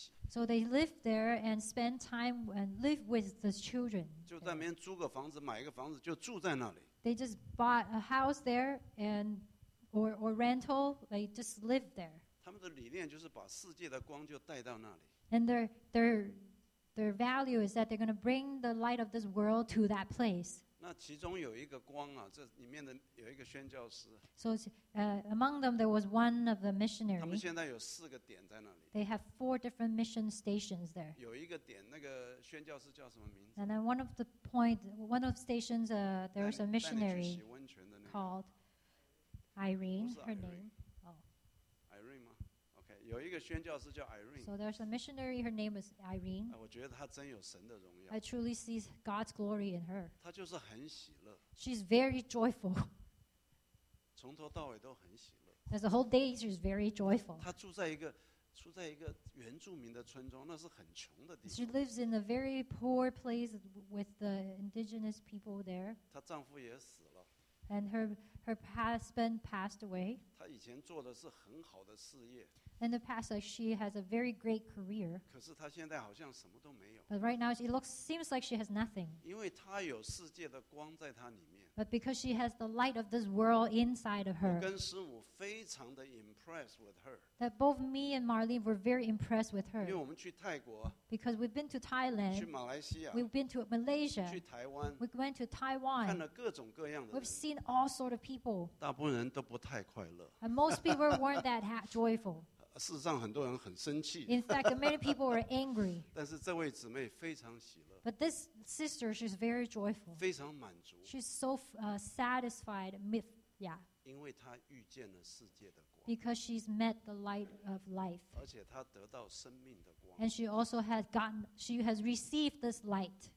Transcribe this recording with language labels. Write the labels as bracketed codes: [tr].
[en] So they live there and spend time and live with the children. [zh] 就在那边租个房子，买一个房子，就住在那里。 [en] They just bought a house there and or rental, they just live there. [zh] 他们的理念就是把世界的光就带到那里。 [en] And their value is that they're going to bring the light of this world to that place. [zh] 那其中有一个光啊，这里面的有一个宣教师。 [en] So, among them there was one of the missionaries. [zh] 他们现在有四个点在那里。 [en] They have four different mission stations there. [zh] 有一个点，那个宣教师叫什么名字？ [en] And then one of the point, one of the stations, there was a missionary called Irene. Her name. [zh] Irene 吗？有一个宣教师叫 Irene. [en] So there's a missionary. Her name is Irene. [zh] 我觉得她真有神的荣耀。 [en] I truly see God's glory in her. [zh] 她就是很喜乐。 [en] She's very joyful. [zh] 从头到尾都很喜乐。 [en] There's a whole day she's very joyful. [zh] 她住在一个原住民的村庄，那是很穷的地方。 [en] She lives in a very poor place with the indigenous people there. [zh] 她丈夫也死了。 [en] And her husband passed away. [zh] 她以前做的是很好的事业。 [en] In the past, she has a very great career. [zh] 可是她现在好像什么都没有。 [en] But right now, it looks seems like she has nothing. [zh] 因为她有世界的光在她里面。 [en] But because she has the light of this world inside of her. [zh] 我跟师母非常的 [en] impressed with her. That both me and Marlene were very impressed with her. [zh] 因为我们去泰国。 [en] Because we've been to Thailand. [zh] 去马来西亚。 [en] We've been to Malaysia. [zh] 去台湾。 [en] We went to Taiwan. [zh] 看了各种各样的。 [en] We've seen all sort of people. [zh] 大部分人都不太快乐。 [en] And most people weren't that joyful. [zh] 事实上，很多人很生气。 [en] In fact, many people were angry. [zh] 但是这位姊妹非常喜乐。 [en] But this sister, she's very joyful. [zh] 非常满足。 [en] She's so satisfied, yeah. [zh] 因为她遇见了世界的光。 [en] Because she's met the light of life. [zh] 而且她得到生命的光。 [en] And she also has gotten, she has received this light.